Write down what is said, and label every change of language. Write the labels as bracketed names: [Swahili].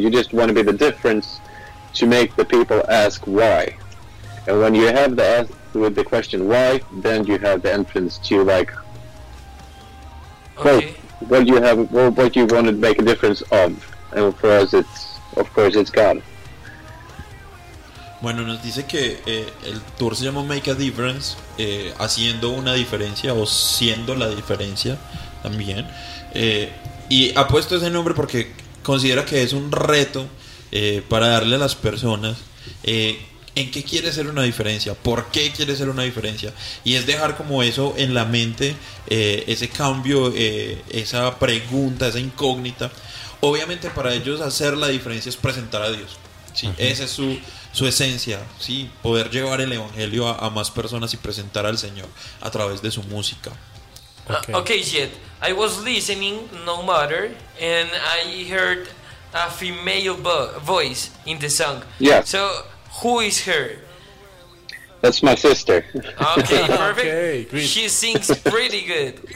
[English] You just want to be the difference to make the people ask why. And when you have the ask with the question why, then you have the entrance to like, okay, what you have, what you want to make a difference of. And for us, it's of course it's God. [Spanish] Bueno, nos dice que el tour se llama Make a Difference, haciendo una diferencia o siendo la diferencia también. Y ha puesto ese nombre porque considera que es un reto para darle a las personas en qué quiere ser una diferencia, por qué quiere ser una diferencia. Y es dejar como eso en la mente, ese cambio, esa pregunta, esa incógnita. Obviamente para ellos hacer la diferencia es presentar a Dios, ¿sí? Esa es su esencia, ¿sí? Poder llevar el evangelio a más personas y presentar al Señor a través de su música. [English] Okay, Jed, I was listening, no matter, and I heard a female voice in the song. Yeah. So, who is her? That's my sister. Okay, perfect. Okay, great. She sings pretty good.